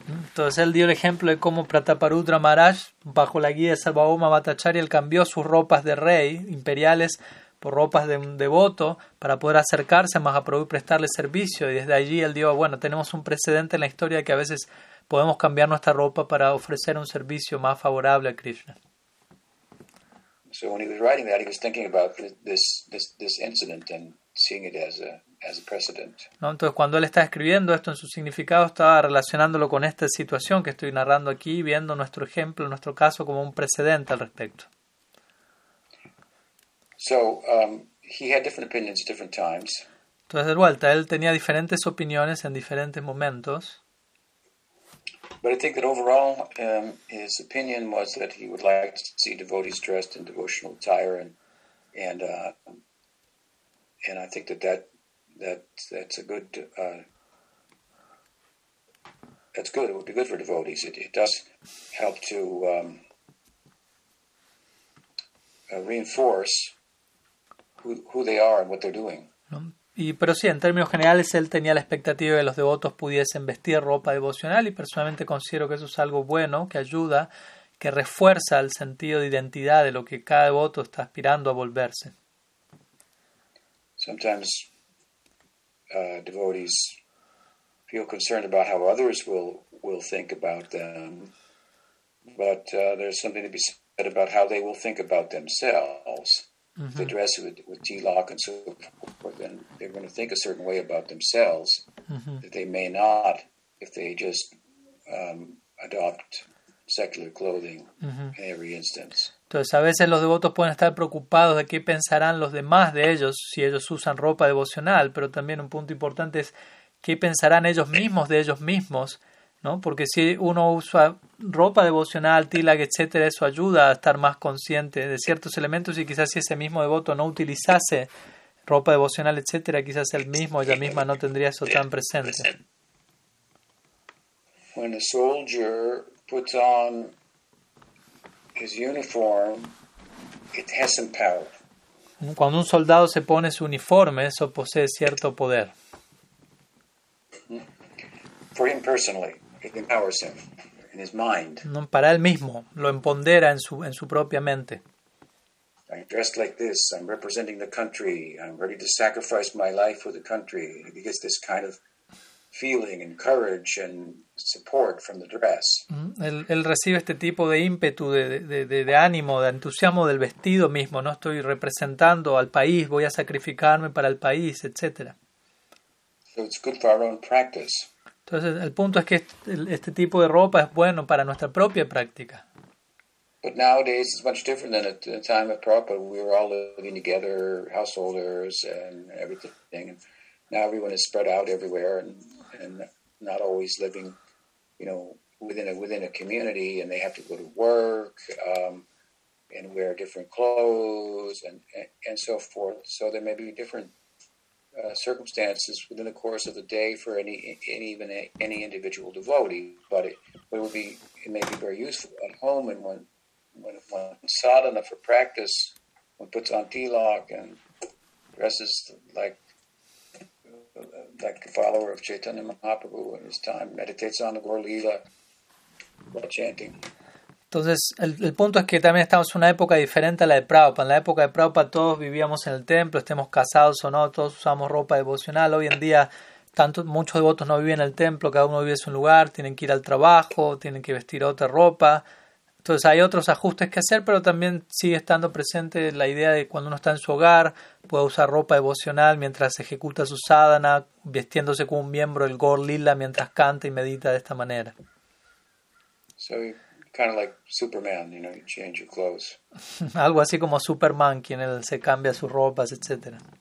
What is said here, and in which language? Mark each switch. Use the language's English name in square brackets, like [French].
[Spanish] Entonces él dio el ejemplo de cómo Prataparudra Maharaj, bajo la guía de Sarvabhauma Bhattacharya, él cambió sus ropas de rey imperiales por ropas de un devoto para poder acercarse a Mahaprabhu y prestarle servicio. Y desde allí él dijo, bueno, tenemos un precedente en la historia de que a veces podemos cambiar nuestra ropa para ofrecer un servicio más favorable a Krishna. [English] So when he was writing that, he was thinking about this incident and seeing it as a precedent. [Spanish] No, entonces cuando él estaba escribiendo esto en su significado, estaba relacionándolo con esta situación que estoy narrando aquí, viendo nuestro ejemplo, nuestro caso como un precedente al respecto. [English] So he had different opinions at different times. [Spanish] Entonces de vuelta, él tenía diferentes opiniones en diferentes momentos. [English] But I think that overall, his opinion was that he would like to see devotees dressed in devotional attire, and I think that's a good that's good. It would be good for devotees. It does help to reinforce who they are and what they're doing. [Spanish] Y pero sí, en términos generales, él tenía la expectativa de que los devotos pudiesen vestir ropa devocional y personalmente considero que eso es algo bueno, que ayuda, que refuerza el sentido de identidad de lo que cada devoto está aspirando a volverse. [English] Sometimes devotees feel concerned about how others will think about them, but there's something to be said about how they will think about themselves. they dress with tilak and so forth, then they're going to think a certain way about themselves that they may not if they just adopt secular clothing in every instance. [Spanish] Entonces, a veces los devotos pueden estar preocupados de qué pensarán los demás de ellos si ellos usan ropa devocional, pero también un punto importante es qué pensarán ellos mismos de ellos mismos, ¿no? Porque si uno usa ropa devocional, tilak, etcétera, eso ayuda a estar más consciente de ciertos elementos, y quizás si ese mismo devoto no utilizase ropa devocional, etcétera, quizás él mismo, ella misma, no tendría eso tan presente. [English] When a soldier puts on his uniform, it has some power. [Spanish] Cuando un soldado se pone su uniforme, eso posee cierto poder. [English] For him personally, it empowers him in his mind. [Spanish] No, para él mismo, lo empodera en su propia mente. [English] I dress like this, I'm representing the country, I'm ready to sacrifice my life for the country. He gets this kind of feeling and courage and support from the dress. [Spanish] Él recibe este tipo de ímpetu, de ánimo, de entusiasmo del vestido mismo. No estoy representando al país, voy a sacrificarme para el país, etc. [English] So it's good for our own practice. [Spanish] Entonces, el punto es que este tipo de ropa es bueno para nuestra propia práctica. [English] But nowadays it's much different than at the time of Prabhupada. We were all living together, householders and everything. And now everyone is spread out everywhere and not always living, you know, within a community, and they have to go to work and wear different clothes and so forth. So there may be different circumstances within the course of the day for any individual devotee, but it may be very useful at home, and when sadhana for practice, one puts on tilak and dresses like a follower of Chaitanya Mahaprabhu in his time, meditates on the Gaur Lila while chanting. [Spanish] Entonces, el punto es que también estamos en una época diferente a la de Prabhupada. En la época de Prabhupada todos vivíamos en el templo, estemos casados o no, todos usamos ropa devocional. Hoy en día, muchos devotos no viven en el templo, cada uno vive en su lugar, tienen que ir al trabajo, tienen que vestir otra ropa. Entonces, hay otros ajustes que hacer, pero también sigue estando presente la idea de cuando uno está en su hogar, puede usar ropa devocional mientras ejecuta su sadhana, vistiéndose como un miembro del Gaur Lila mientras canta y medita de esta manera. Sí. [English] Kind of like Superman, you know, you change your clothes. [Spanish] Algo así como Superman, quien él se cambia sus ropas, etc.